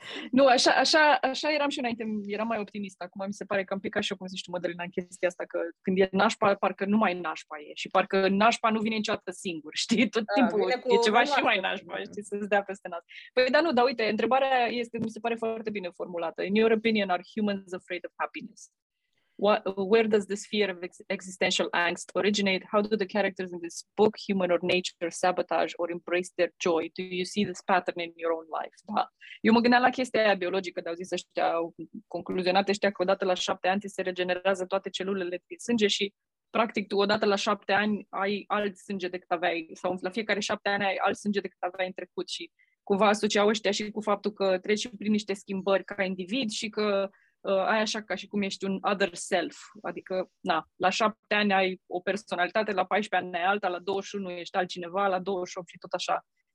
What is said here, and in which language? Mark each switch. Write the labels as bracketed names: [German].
[Romanian] Nu, așa eram și înainte, eram mai optimist. Acum mi se pare că am picat și eu, cum zici tu, Mădălina, în chestia asta, că când e nașpa, parcă numai nașpa e și parcă nașpa nu vine niciodată singur, știi? Tot timpul e ceva și mai nașpa, știi, să-ți dea peste nas. Păi da, nu, dar uite, întrebarea este, mi se pare foarte bine formulată. [English] In your opinion, are humans afraid of happiness? Where does this fear of existential angst originate? How do the characters in this book, human or nature, sabotage or embrace their joy? Do you see this pattern in your own life? [Romanian] Da. Eu mă gândeam la chestia aia biologică, dar au zis ăștia, au concluzionat ăștia că odată la 7 ani se regenerează toate celulele din sânge și practic tu odată la 7 ani ai alt sânge decât aveai, sau la fiecare 7 ani ai alt sânge decât aveai în trecut și cumva asociau ăștia și cu faptul că treci prin niște schimbări ca individ și că ai așa ca și cum ești un [English] other self, [Romanian] adică na, la 7 ani ai o personalitate, la 14 ani ai alta, la 21 ești altcineva, la 28 și tot așa.